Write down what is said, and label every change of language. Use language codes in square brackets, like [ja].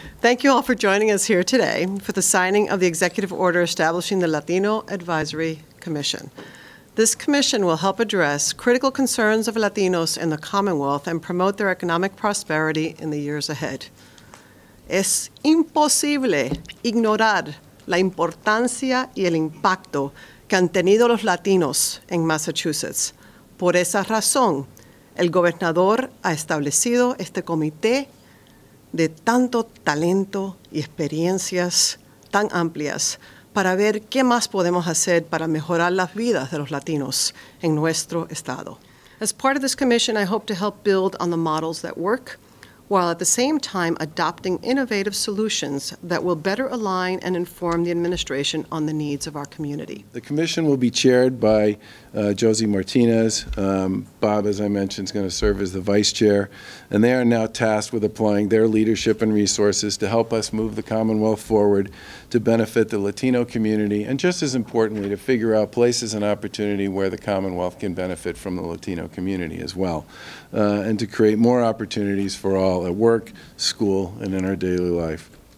[en] Thank you all for joining us here today for the signing of the executive order establishing the Latino Advisory Commission. This commission will help address critical concerns of Latinos in the Commonwealth and promote their economic prosperity in the years ahead. [es] Es imposible ignorar la importancia y el impacto que han tenido los Latinos en Massachusetts. Por esa razón, el gobernador ha establecido este comité de tanto talento y experiencias tan amplias para ver qué más podemos hacer para mejorar las vidas de los Latinos en nuestro estado. [en] As part of this commission, I hope to help build on the models that work, while at the same time adopting innovative solutions that will better align and inform the administration on the needs of our community. The commission will be chaired by Josie Martinez. Bob, as I mentioned, is going to serve as the vice chair, and they are now tasked with applying their leadership and resources to help us move the Commonwealth forward to benefit the Latino community, and just as importantly, to figure out places and opportunity where the Commonwealth can benefit from the Latino community as well, and to create more opportunities for all at work, school, and in our daily life.